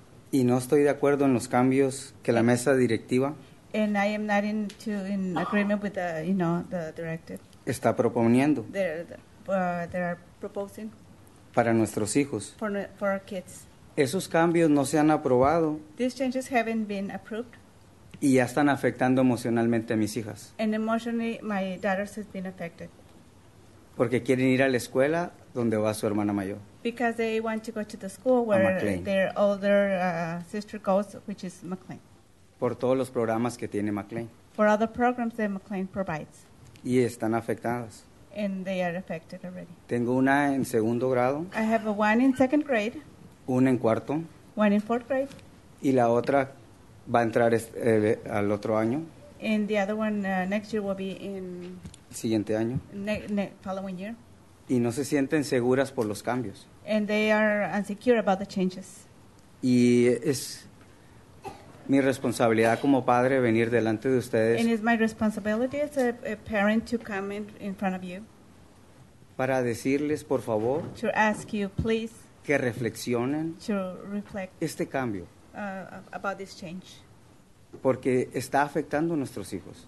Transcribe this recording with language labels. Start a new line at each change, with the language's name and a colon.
Spanish: Y no estoy de acuerdo en los cambios que la mesa directiva.
English: And I am not in agreement with the, you know, the directive.
Spanish: Está proponiendo.
English: They're proposing.
Spanish: Para nuestros hijos.
English: For our kids.
Spanish: Esos cambios no se han aprobado.
English: These changes haven't been approved.
Spanish: Y ya están afectando emocionalmente a mis hijas.
English: And emotionally, my daughters have been affected.
Spanish: Porque quieren ir a la escuela donde va su hermana mayor.
English: Because they want to go to the school where their older sister goes, which is McLean.
Spanish: Por todos los programas que tiene McLean.
English: For all the programs that McLean provides.
Spanish: Y están afectadas.
English: And they are affected already.
Spanish: Tengo una en segundo grado.
English: I have a one in second grade.
Spanish: Una en cuarto.
English: One in fourth grade.
Spanish: Y la otra va a entrar al otro año.
English: And the other one next year will be in...
Spanish: Siguiente año.
English: Following year.
Spanish: Y no se sienten seguras por los cambios.
English: And they are insecure about the changes.
Spanish: Y es mi responsabilidad como padre venir delante de ustedes.
English: And it's my responsibility as a parent to come in front of you.
Spanish: Para decirles, por favor.
English: To ask you, please.
Spanish: Que reflexionen
English: to reflect
Spanish: este cambio
English: about this change.
Spanish: Porque está afectando a nuestros hijos.